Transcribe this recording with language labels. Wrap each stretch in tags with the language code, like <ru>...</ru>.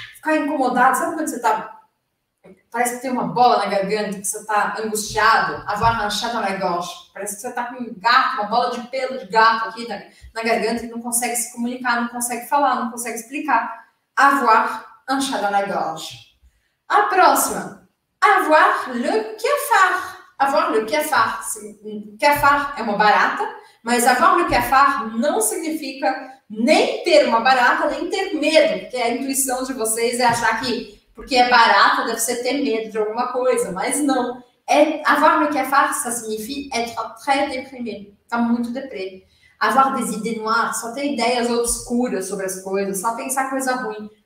<pt>Ficar incomodado, sabe quando você está... Parece que tem uma bola na garganta, que você está angustiado.</pt> <fr>Avoir un chat dans la gorge.</fr> <pt>Parece que você está com um gato, uma bola de pelo de gato aqui na garganta e não consegue se comunicar, não consegue falar, não consegue explicar.</pt> <fr>Avoir un chat dans la gorge.</fr> <pt>A próxima.</pt> <fr>Avoir le cafard. Avoir le cafard.</fr> <pt>Cafard é uma barata, mas avoir le cafard não significa nem ter uma barata, nem ter medo, que a intuição de vocês é achar que porque é barata, deve ser ter medo de alguma coisa, mas não.</pt> <fr>Avoir le cafard, ça signifie être très déprimé,</fr> <pt>tá muito deprê.</pt> <fr>Avoir des idées noires,</fr> <pt>só ter ideias obscuras sobre as coisas, só pensar coisa ruim.</pt>